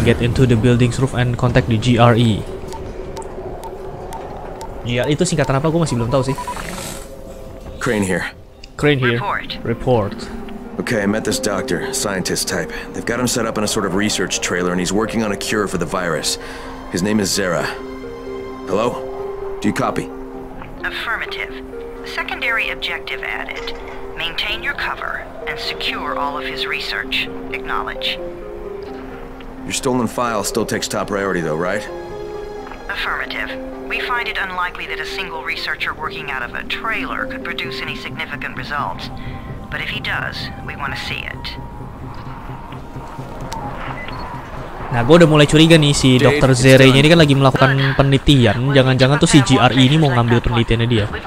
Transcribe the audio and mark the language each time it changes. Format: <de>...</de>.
<en>Get into the building's roof and contact the GRE.</en> <id>Iya, itu singkatan apa? Gue masih belum tahu sih.</id> <en>Crane here. Report. Okay, I met this doctor, scientist type. They've got him set up in a sort of research trailer, and he's working on a cure for the virus. His name is Zara. Hello? Do you copy? Affirmative. Secondary objective added. Maintain your cover and secure all of his research. Acknowledge. Your stolen file still takes top priority though, right? Affirmative. We find it unlikely that a single researcher working out of a trailer could produce any significant results. But if he does, we want to see it.</en> <id>Nah, gue udah mulai curiga nih si Dr. Zere-nya ini kan lagi melakukan penelitian. Jangan-jangan tuh si GRE ini mau ngambil penelitiannya dia.</id>